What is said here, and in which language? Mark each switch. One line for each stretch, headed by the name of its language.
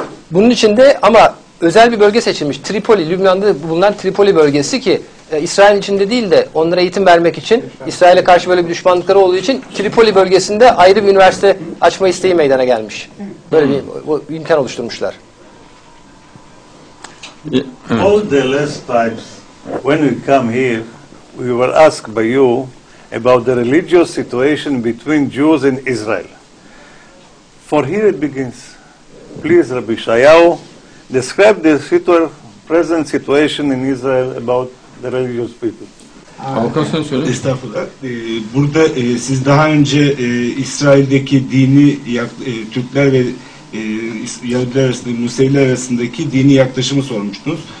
Turkish: Bunun için de ama özel bir bölge seçilmiş. Tripoli, Lübnan'da bulunan Tripoli bölgesi ki İsrail içinde değil de onlara eğitim vermek için, İsrail'e karşı böyle bir düşmanlıkları olduğu için Tripoli bölgesinde ayrı bir üniversite açma isteği meydana gelmiş. Böyle bir bu imkan oluşturmuşlar.
English: All the last times when we come here, we were asked by you about the religious situation between Jews and Israel. For here it begins. Please, Rabbi Shayahu, describe the present situation in Israel about the religious people.
Turkish: Avukat sen söyle. Estağfurullah. Burada siz daha önce İsrail'deki dini Türkler ve Yahudiler arasında, Museviler arasındaki dini yaklaşımı sormuştunuz.